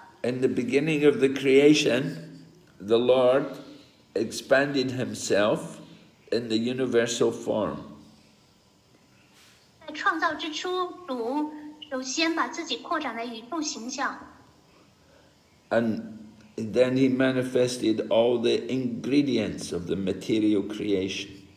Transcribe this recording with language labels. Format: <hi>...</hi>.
<en>In the beginning of the creation, the Lord expanded himself in the universal form.</en> <zh>创造之初, 主首先把自己扩展在宇宙形象,</zh> <en>and then he manifested all the ingredients of the material creation.</en>